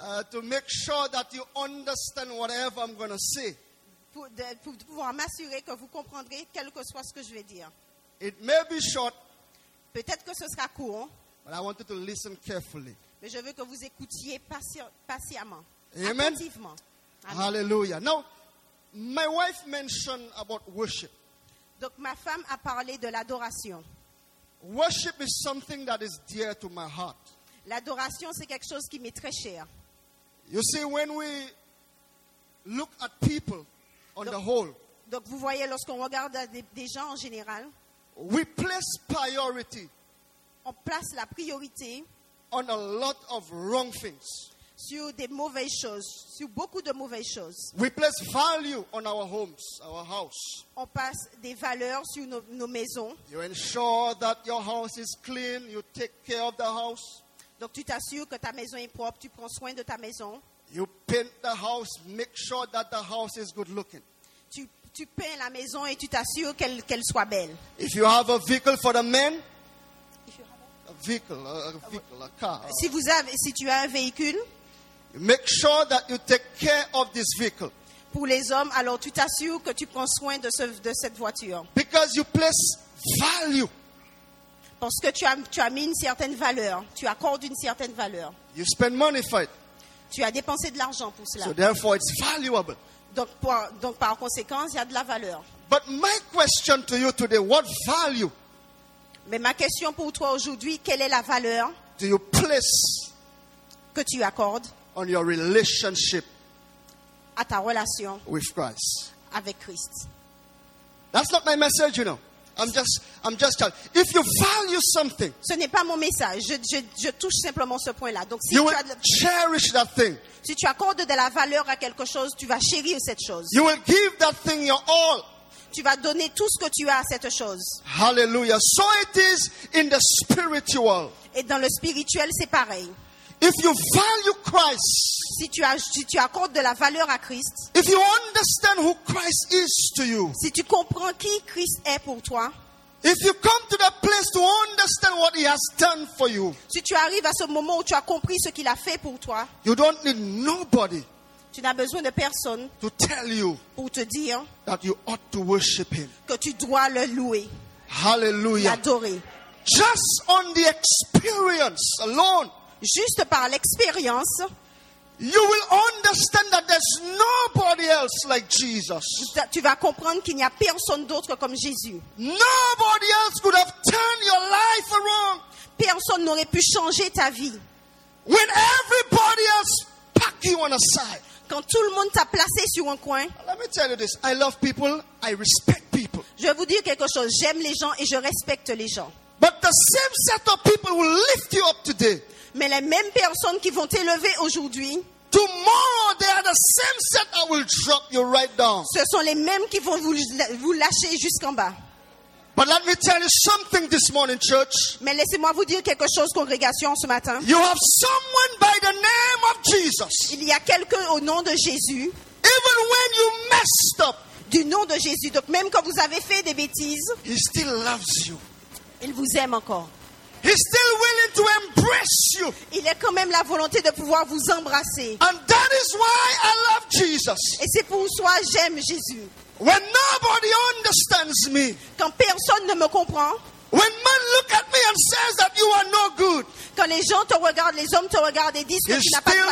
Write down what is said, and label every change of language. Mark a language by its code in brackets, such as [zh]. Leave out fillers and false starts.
[en] To make sure that you understand whatever I'm going to say. [fr] Pour pouvoir m'assurer que vous comprendrez quel que soit ce que je vais dire. [en] It may be short. [fr] Peut-être que ce sera court. [en] But I want you to listen carefully. [fr] Mais je veux que vous écoutiez patiemment. Amen. Attentivement. [en] Amen. Hallelujah. Now, my wife mentioned about worship. [fr] Donc, ma femme a parlé de l'adoration. [en] Worship is something that is dear to my heart. [fr] L'adoration, c'est quelque chose qui m'est très cher. [en] You see, when we look at people on the whole. [fr] Donc, vous voyez, lorsqu'on regarde des gens en général. [en] We place priority. [fr] On place la priorité. [en] On a lot of wrong things. [fr] Sur des mauvaises choses, sur beaucoup de mauvaises choses. [en] We place value on our homes, our house. [fr] On passe des valeurs sur nos maisons. [en] You ensure that your house is clean, you take care of the house. [fr] Donc tu t'assures que ta maison est propre, tu prends soin de ta maison. [en] You paint the house, make sure that the house is good looking. [fr] Tu peins la maison et tu t'assures qu'elle soit belle. [en] If you have a vehicle for the men, vehicle, a car. [fr] Si tu as un véhicule, [en] make sure that you take care of this vehicle. [fr] Pour les hommes, alors tu t'assures que tu prends soin de cette voiture. [en] Because you place value. [fr] Parce que tu as mis une certaine valeur, tu accordes une certaine valeur. [en] You spend money for it. [fr] Tu as dépensé de l'argent pour cela. [en] So therefore, it's valuable. [fr] Donc par conséquent, il y a de la valeur. [en] But my question to you today, what value? [fr] Mais ma question pour toi aujourd'hui, quelle est la valeur [en] do you place [fr] que tu accordes [en] on your relationship [fr] à ta relation [en] with Christ. [fr] Avec Christ. [en] That's not my message, you know. I'm just telling you. If you value something, [fr] ce n'est pas mon message. Je touche simplement ce point-là. Donc, si [en] you [fr] tu [en] will [fr] as de, [en] cherish that thing. [fr] Si tu accordes de la valeur à quelque chose, tu vas chérir cette chose. [en] You will give that thing your all. [fr] Tu vas donner tout ce que tu as à cette chose. [en] Hallelujah. So it is in the spiritual. [fr] Et dans le spirituel, c'est pareil. [en] If you value Christ, [fr] si tu accordes de la valeur à Christ, [en] if you understand who Christ is to you, [fr] si tu comprends qui Christ est pour toi, [en] if you come to that place to understand what he has done for you, [fr] si tu arrives à ce moment où tu as compris ce qu'il a fait pour toi, [en] you don't need nobody, [fr] tu n'as besoin de personne, [en] to tell you, [fr] pour te dire, [en] that you ought to worship him, [fr] que tu dois le louer, hallelujah, l'adorer, [en] just on the experience alone. [fr] Juste par l'expérience, [en] you will understand that there's nobody else like Jesus. [fr] Tu vas comprendre qu'il n'y a personne d'autre comme Jésus. [en] Nobody else could have turned your life around. [fr] Personne n'aurait pu changer ta vie. [en] When everybody else packed you on a side. [fr] Quand tout le monde t'a placé sur un coin. [en] Let me tell you this. I love people. I respect people. [fr] Je vais vous dire quelque chose. J'aime les gens et je respecte les gens. [en] But the same set of people will lift you up today. [fr] Mais les mêmes personnes qui vont t'élever aujourd'hui, [en] tomorrow they are the same set that will drop you right down. [fr] Ce sont les mêmes qui vont vous lâcher jusqu'en bas. [en] But let me tell you something this morning, church. [fr] Mais laissez-moi vous dire quelque chose, congrégation, ce matin. [en] You have someone by the name of Jesus. [fr] Il y a quelqu'un au nom de Jésus. [en] Even when you messed up, [fr] du nom de Jésus. Donc même quand vous avez fait des bêtises, [en] he still loves you. [fr] Il vous aime encore. [en] He's still willing to embrace you. [fr] Il est quand même la volonté de pouvoir vous embrasser. [en] And that is why I love Jesus. [fr] Et c'est pour ça que j'aime Jésus. [en] When nobody understands me. [fr] Quand personne ne me comprend. [en] When men look at me and says that you are no good. [fr] Quand les gens te regardent, les hommes te regardent et disent que tu n'as pas de valeur.